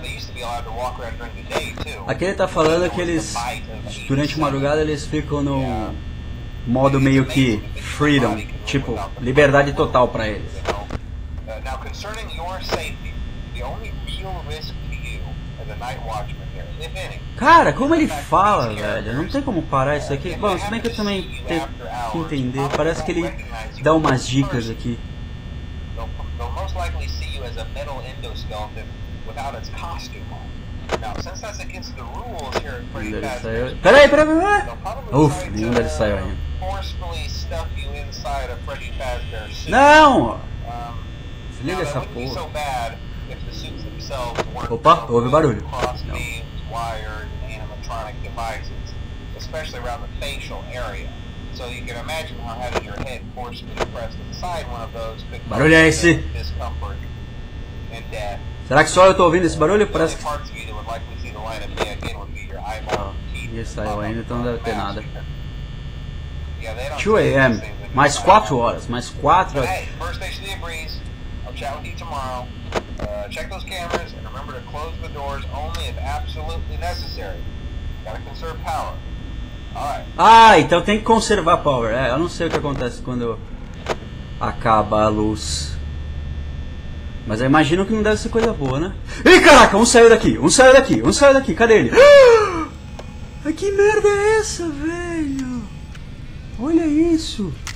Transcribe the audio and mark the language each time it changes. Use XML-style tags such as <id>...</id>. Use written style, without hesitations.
<en>They used to be allowed to walk around during the day too.</en> <pt>Aqui ele tá falando que eles, durante a madrugada, eles ficam no modo meio que freedom, tipo, liberdade total pra eles.</pt> <en>Now concerning your safety, the only real risk to you as a night watchman here, if any.</en> <pt>Cara, como ele fala, velho? Não tem como parar isso aqui. Bom, se bem que eu também tenho que entender, parece que ele dá umas dicas aqui.</pt> <en>They'll most likely see you as a metal endoskeleton without its costume on. Now, since that's against the rules here at Freddy Fazbear's, they'll probably try to forcefully stuff you inside a Freddy Fazbear suit. No! Now, that wouldn't be so bad if the suits themselves weren't.</en> <pt>Opa, ouve barulho.</pt> <en>Cross beams, wired, and animatronic devices, especially around the facial area. So you can imagine how having your head forcefully pressed inside one of those could cause discomfort and death.</en> <pt>Será que só eu tô ouvindo esse barulho? Parece que...</pt> <en>The parts of you that would likely see the light of day again would be your eyeball, teeth, and bubble.</en> <pt>Então não deve ter nada.</pt> <en>Yeah,</en> <pt>2 AM. Mais 4 horas. Mais 4 horas.</pt> <en>Hey, first station of the breeze. I'll chat with you tomorrow. Check those cameras and remember to close the doors only if absolutely necessary. Gotta conserve power.</en> <pt>Ah, então tem que conservar power. É, eu não sei o que acontece quando acaba a luz. Mas eu imagino que não deve ser coisa boa, né? Ih, caraca, um saiu daqui. Cadê ele? Ah, que merda é essa, velho? Olha isso.</pt>